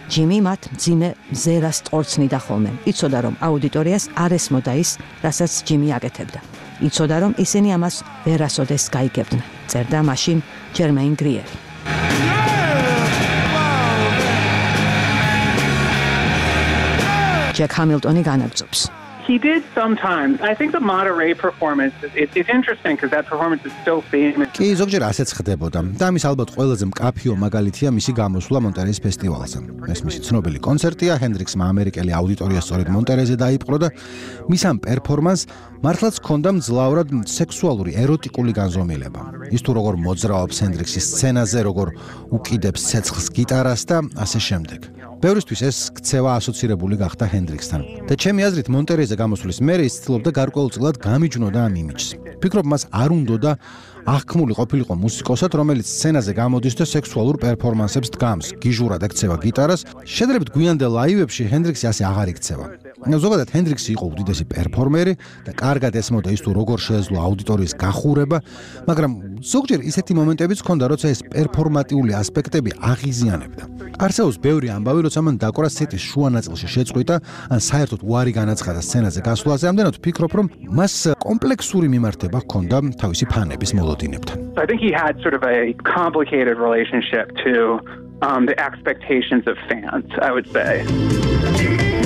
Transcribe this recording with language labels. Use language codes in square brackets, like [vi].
[ka] ჯიმი მათ მძიმე მზერას ტორცნიდა ხოლმე. იცოდა, რომ აუდიტორიას არ ესმოდა ის, რასაც ჯიმი აკეთებდა. იცოდა, რომ ისინი ამას ვერასოდეს გაიგებდნენ. წერდა მაშინ ჯერმეინ გრიერი. Jack Hamilton განაგწობს. [en] He did sometimes. I think the Monterey performance is interesting because that performance is so famous. [ka] კი, ზოგჯერ ასეც ხდებოდა. და ამის ალბათ ყველაზე მკაფიო მაგალითია მისი გამოსვლა მონტერეის ფესტივალზე. ეს მისი ცნობილი კონცერტია, ჰენდრიქსმა ამერიკელი აუდიტორია სწორედ მონტერეზე დაიპყრო და მის ამ პერფორმანსს მართლაც ჰქონდა მძლავრად სექსუალური ეროტიკული განზომილება. ის თუ როგორ მოძრაობს ჰენდრიქსი სცენაზე, როგორ უკიდებს ცეცხლს გიტარას და ასე შემდეგ. ბევრისთვის ეს ქცევა ასოცირებული გახდა ჰენდრიქსთან. და ჩემი აზრით, მონტერეზე გამოსვლის მერე ის ცდილობდა გარკვეულწილად გამიჯნოდა ამ იმიჯს. ფიქრობ, მას არ უნდოდა აღქმული ყოფილიყო მუსიკოსად, რომელიც სცენაზე გამოდის და სექსუალურ პერფორმანსებს დგამს, გიჟურად ექცევა გიტარას. შედარებით გვიანდელ ლაივებში ჰენდრიქსი ასე აღარ იქცევა. ზოგადად, ჰენდრიქსი იყო უდიდესი პერფორმერი და კარგად ესმოდა ის თუ როგორ შეეძლო აუდიტორიის გახურება, მაგრამ ზოგჯერ ისეთი მომენტებიც ჰქონდა, როცა ეს პერფორმატიული ასპექტები აღიზიანებდა. არსეოს ბევრი ამბავი, როცა მან დაკვრა სეტის შუა ნაწილში შეწყვიტა, ან საერთოდ უარი განაცხადა სცენაზე გასვლაზე, ამდენად ფიქრობ, რომ მას კომპლექსური მიმართება ჰქონდა თავისი ფანების მოლოდინებთან. [en] I think he had sort of a complicated relationship to the expectations of fans, I would say.